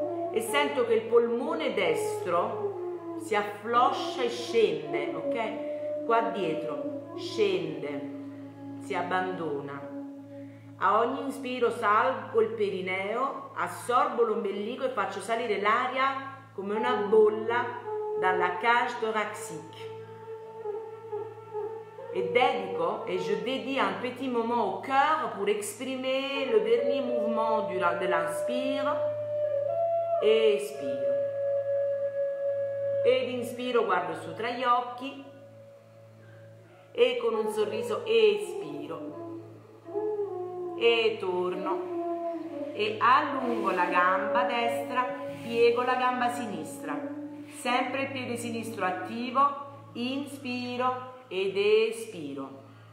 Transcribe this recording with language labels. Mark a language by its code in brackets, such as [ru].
[it] E sento che il polmone destro si affloscia e scende, ok? Qua dietro scende, si abbandona. A ogni inspiro salgo il perineo, assorbo l'ombelico e faccio salire l'aria come una bolla dalla cage thoracique. [fr] E dedico, e je dédie un petit moment au cœur pour exprimer le dernier mouvement de l'inspire. [it] Espiro ed inspiro, guardo su tra gli occhi e con un sorriso espiro e torno e allungo la gamba destra, piego la gamba sinistra, sempre il piede sinistro attivo, inspiro ed espiro.